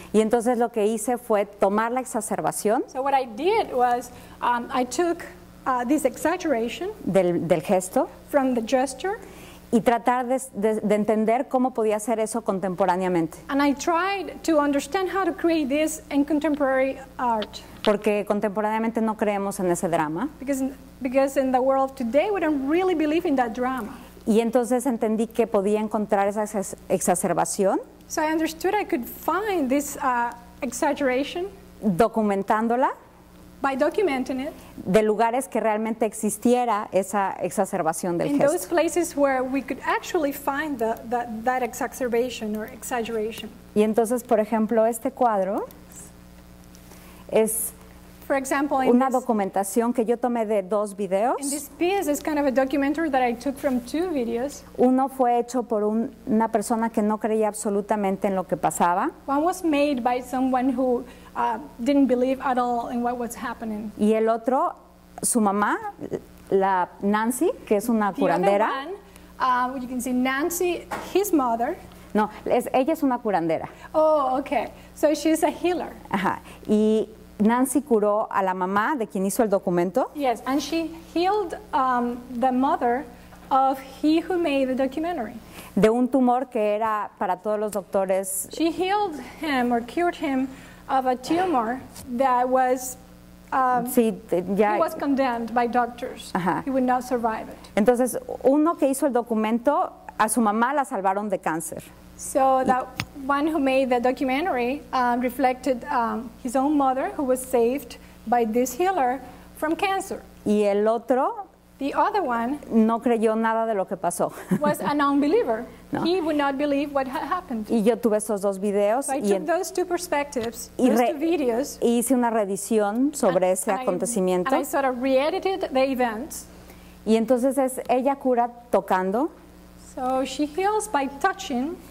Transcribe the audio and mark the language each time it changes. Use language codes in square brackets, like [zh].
[es] Y entonces lo que hice fue tomar la exacerbación. [en] So what I did was I took this exaggeration [es] del gesto. [en] From the gesture. [es] Y tratar de entender cómo podía hacer eso contemporáneamente. [en] And I tried to understand how to create this in contemporary art. [es] Porque contemporáneamente no creemos en ese drama. [en] Because in the world today we don't really believe in that drama. [es] Y entonces entendí que podía encontrar esa exacerbación. [en] So I understood I could find this exaggeration. [es] Documentándola. [en] By documenting it, [es] de lugares que realmente existiera esa exacerbación del [en] in [es] gesto. [en] In those places where we could actually find that exacerbation or exaggeration. [es] Y entonces, por ejemplo, este cuadro es [en] for example, [es] una documentación que yo tomé de dos videos. [en] In this piece is kind of a documentary that I took from two videos. [es] Uno fue hecho por una persona que no creía absolutamente en lo que pasaba. [en] One was made by someone who didn't believe at all in what was happening. [es] Y el otro, su mamá, la Nancy, que es una [en] the [es] curandera. [en] The other one, you can see Nancy, his mother. [es] No, ella es una curandera. [en] Oh, okay. So she's a healer. [es] Ajá. Y Nancy curó a la mamá de quien hizo el documento. [en] Yes, and she healed the mother of he who made the documentary. [es] De un tumor que era para todos los doctores. [en] She healed him or cured him of a tumor that was he was condemned by doctors. [es] Ajá. [en] He would not survive it. [es] Entonces, uno que hizo el documento, a su mamá la salvaron de cáncer. [en] So that one who made the documentary reflected his own mother who was saved by this healer from cancer. [es] Y el otro, [en] the other one, [es] no creyó nada de lo que pasó. [en] Was an unbeliever. No. He would not believe what had happened. [es] Y yo tuve esos dos videos. [en] So I took those two perspectives, two videos. [es] Y hice una reedición sobre ese acontecimiento. [en] And I sort of re-edited the events. [es] Y entonces es ella cura tocando. [en] So she heals by touching.